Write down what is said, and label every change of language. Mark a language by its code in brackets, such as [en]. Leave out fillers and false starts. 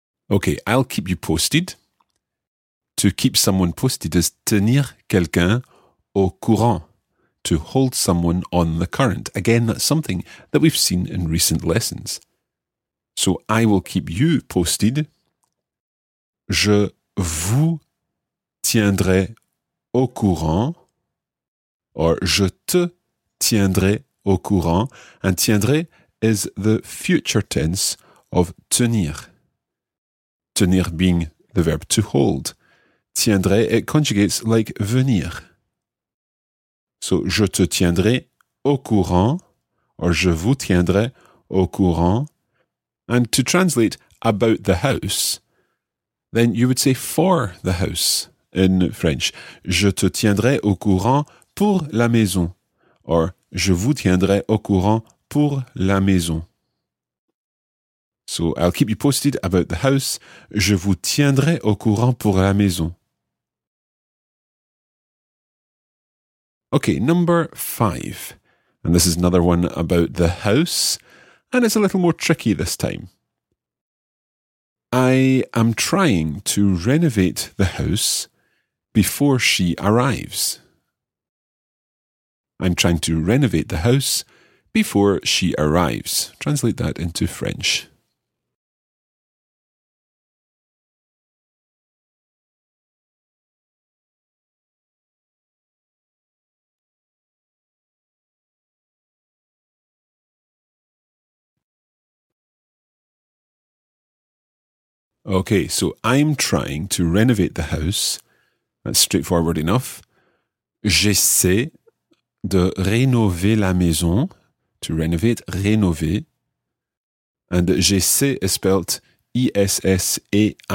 [en] Okay, I'll keep you posted. To keep someone posted is [fr] tenir quelqu'un au courant, [en] to hold someone on the current. Again, that's something that we've seen in recent lessons. So, I will keep you posted. [fr] Je vous tiendrai au courant. Or, je te tiendrai au courant. [en] And tiendrai is the future tense of tenir. Tenir being the verb to hold. Tiendrai, it conjugates like venir. [fr] So, je te tiendrai au courant, or je vous tiendrai au courant. [en] And to translate about the house, then you would say for the house in French. [fr] Je te tiendrai au courant pour la maison, or je vous tiendrai au courant pour la maison. [en] So, I'll keep you posted about the house. [fr] Je vous tiendrai au courant pour la maison. [en] Okay, number 5. And this is another one about the house. And it's a little more tricky this time. I am trying to renovate the house before she arrives. I'm trying to renovate the house before she arrives. Translate that into French. Okay, so I'm trying to renovate the house. That's straightforward enough. [fr] J'essaie de rénover la maison. [en] To renovate, rénover. And j'essaie is spelled E-S-S-A-I-E.